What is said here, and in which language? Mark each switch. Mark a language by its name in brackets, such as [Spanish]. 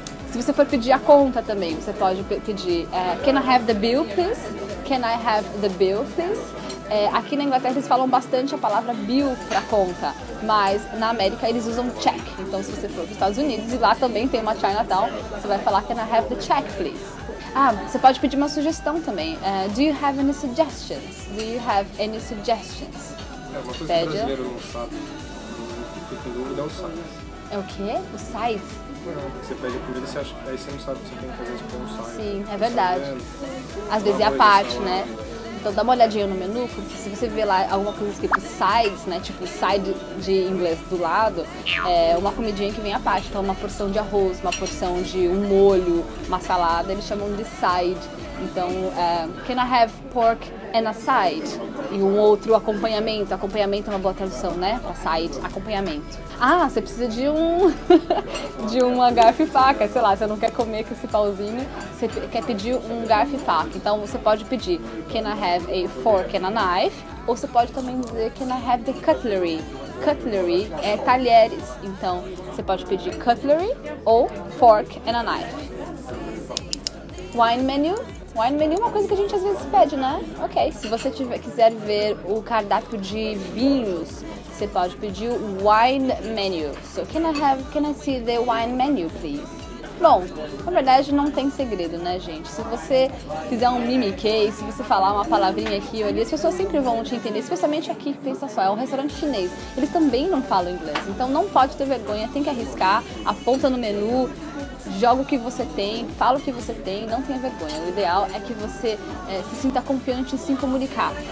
[Portuguese] Se você for pedir a conta também, você pode pedir [English] can I have the bill, please? Can I have the bill, please? [Portuguese] É, aqui na Inglaterra eles falam bastante a palavra bill para conta, mas na América eles usam check. Então se você for para os Estados Unidos e lá também tem uma Chinatown, você vai falar [English] can I have the check, please? [Portuguese] Ah, você pode pedir uma sugestão também. [English] Do you have any suggestions? Do you have any suggestions? [Portuguese] É uma coisa que o brasileiro não sabe. O que tem que dúvida é o size. É o quê? O size? Não, você pede a comida e você acha, aí você não sabe o que você tem que fazer com o site. Sim, é verdade. Sabendo. Às vezes é a parte, né? Então dá uma olhadinha no menu, porque se você vê lá alguma coisa escrito sides, né, tipo side de inglês do lado, é uma comidinha que vem à parte, então uma porção de arroz, uma porção de um molho, uma salada, eles chamam de side. Então, [English] can I have pork and a side? [Portuguese] E um outro acompanhamento, acompanhamento é uma boa tradução, né, pra side, acompanhamento. Ah, você precisa de uma garfo e faca, sei lá, você não quer comer com esse pauzinho, você quer pedir um garfo e faca, então você pode pedir [English] can I have a fork and a knife, [Portuguese] ou você pode também dizer [English] can I have the cutlery. [Portuguese] Cutlery é talheres, então você pode pedir cutlery ou [English] fork and a knife. [Portuguese] Wine menu? Wine menu é uma coisa que a gente às vezes pede, né? Ok, se você quiser ver o cardápio de vinhos, você pode pedir wine menu. [English] So, can I see the wine menu, please? [Portuguese] Bom, na verdade não tem segredo, né, gente? Se você fizer um mimiquei, se você falar uma palavrinha aqui ou ali, as pessoas sempre vão te entender, especialmente aqui, pensa só, é um restaurante chinês. Eles também não falam inglês, então não pode ter vergonha, tem que arriscar, aponta no menu, joga o que você tem, fala o que você tem, não tenha vergonha. O ideal é que você se sinta confiante em se comunicar.